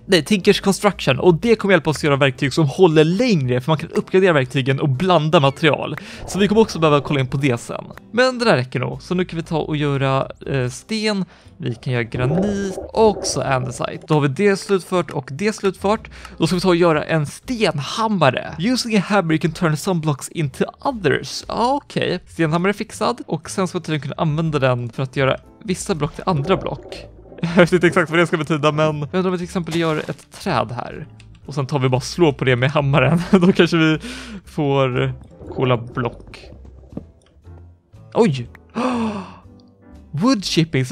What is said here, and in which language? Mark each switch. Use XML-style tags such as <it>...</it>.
<sv>Nej, Tinker's Construction. Och det kommer hjälpa oss att göra verktyg som håller längre. För man kan uppgradera verktygen och blanda material. Så vi kommer också behöva kolla in på det sen. Men det där räcker nog. Så nu kan vi ta och göra sten. Vi kan göra granit. Och så andesite. Då har vi det slutfört och det slutfört. Då ska vi ta och göra en stenhammare.</sv> <en>Using a hammer you can turn some blocks into others.</en> <sv>Ah, okej. Okay. Stenhammare är fixad. Och sen ska vi tydligen kunna använda den för att göra vissa block till andra block. Jag vet inte exakt vad det ska betyda, men jag undrar om vi till exempel gör ett träd här. Och sen tar vi bara slå på det med hammaren. Då kanske vi får coola block. Oj! Wood chipping.</sv>